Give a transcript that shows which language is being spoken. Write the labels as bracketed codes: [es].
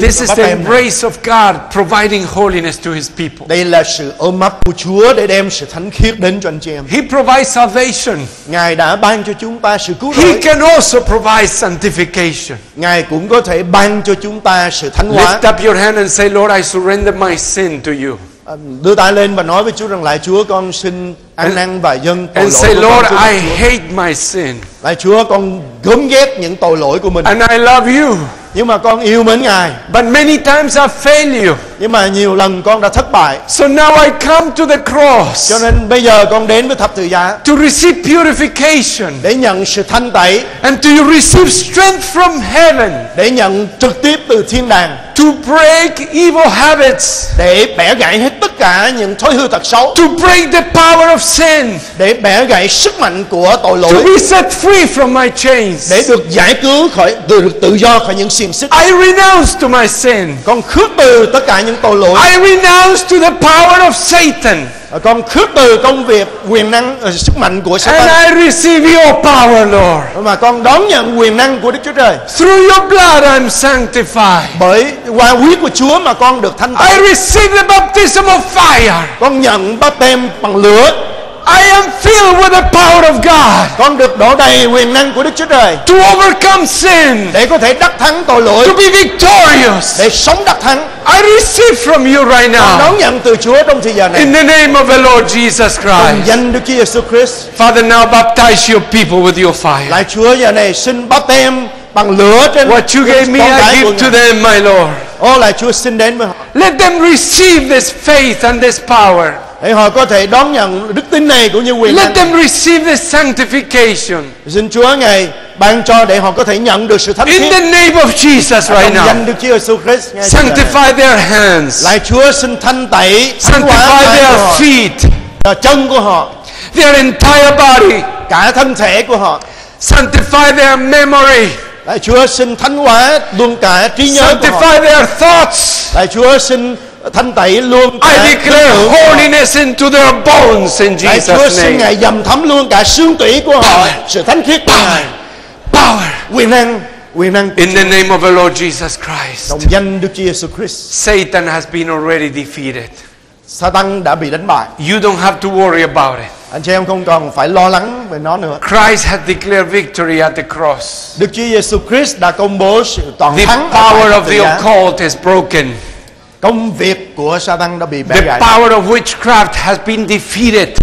[en] This is the embrace of God providing holiness to his people. [vi] Đây là sự ôm ấp của Chúa để đem sự thánh khiết đến cho anh chị em. [en] He provides salvation. [vi] Ngài đã ban cho chúng ta sự cứu rỗi. [en] He can also provide sanctification. [vi] Ngài cũng có thể ban cho chúng ta sự thánh hóa. [en] Lift up your hand and say, Lord, I surrender my sin to you. [vi] Đưa tay lên và nói với Chúa rằng lại Chúa con xin ăn năn và dâng tội [en] and [vi] lỗi [en] say, [vi] của con [en] Lord, [vi] Chúa. [en] I hate my sin. [vi] Lại Chúa con gớm ghét những tội lỗi của mình. [en] And I love you. [vi] Nhưng mà con yêu mến Ngài. [en] But many times I fail you. [vi] Nhưng mà nhiều lần con đã thất bại. [en] So now I come to the cross. [vi] Cho nên bây giờ con đến với thập tự giá. [en] To receive purification. [vi] Để nhận sự thanh tẩy. [en] And to receive strength from heaven. [vi] Để nhận trực tiếp từ thiên đàng. [en] To break evil habits. [vi] Để bẻ gãy hết tất cả những thói hư tật xấu. [en] To break the power of sin. [vi] Để bẻ gãy sức mạnh của tội lỗi. [en] To be set free from my chains. [vi] Để được giải cứu khỏi được tự do khỏi những xiềng xích. [en] I renounce to my sin. [vi] Con khước từ tất cả những tội lỗi. [en] I renounce to the power of Satan. [vi] Con khước từ công việc quyền năng sức mạnh của Satan. [en] And I receive your power, Lord. [vi] Mà con đón nhận quyền năng của Đức Chúa Trời. [en] Through your blood I'm sanctified. [vi] Bởi qua huyết của Chúa mà con được thanh tẩy. [en] I receive the baptism of fire. [vi] Con nhận báp têm bằng lửa. [en] I am filled with the power of God. [vi] Con được đổ đầy quyền năng của Đức Chúa Trời. [en] To overcome sin. [vi] Để có thể đắc thắng tội lỗi. [en] To be victorious. [vi] Để sống đắc thắng. [en] I receive from you right now. [vi] Con đón nhận từ Chúa trong thời giờ này. [en] In the name of the Lord Jesus Christ. [vi] Trong danh Đức Chúa Jesus Christ. [en] Father, now baptize your people with your fire. [vi] Lạy Chúa giờ này xin báp têm bằng lửa trên. [en] What you gave me, I give to them, my Lord. [vi] Ô Lạy Chúa xin đến với họ. [en] Let them receive this faith and this power. [vi] Để họ có thể đón nhận đức tin này cũng như quyền [en] năng. Let them receive the sanctification. [vi] Xin Chúa ngài ban cho để họ có thể nhận được sự thánh khiết. [en] In the name of Jesus right now. [vi] Trong danh Đức Chúa Giêsu Christ. [en] Sanctify their hands. [vi] Lạy Chúa xin thanh tẩy. [en] Sanctify their feet. [vi] Chân của họ. [en] Their entire body. [vi] Cả thân thể của họ. [en] Sanctify their memory. [vi] Lạy Chúa xin thanh hóa luôn cả trí nhớ của họ. [en] Sanctify their thoughts. [vi] Lạy Chúa xin thanh tẩy luôn cả. [en] I declare holiness into their bones in Jesus' name. [vi] Lạy Chúa xin ngài dầm thấm luôn cả xương tủy của họ. [en] Power. [vi] Sự thánh khiết. [en] Power. Power. [vi] Quyền năng. Quyền năng. [en] In the name of the Lord Jesus Christ. [vi] Trong danh Đức Chúa Jesus Christ. [en] Satan has been already defeated. [vi] Satan đã bị đánh bại. [en] You don't have to worry about it. [vi] Anh chị em không còn phải lo lắng về nó nữa. [en] Christ has declared victory at the cross. [vi] Đức Chúa Jesus Christ đã công bố sự toàn [en] the [vi] thắng. [en] The power of the occult is broken. [vi] Công việc của Satan đã bị bẻ [en] the [vi] gãy. [en] The power of witchcraft has been defeated.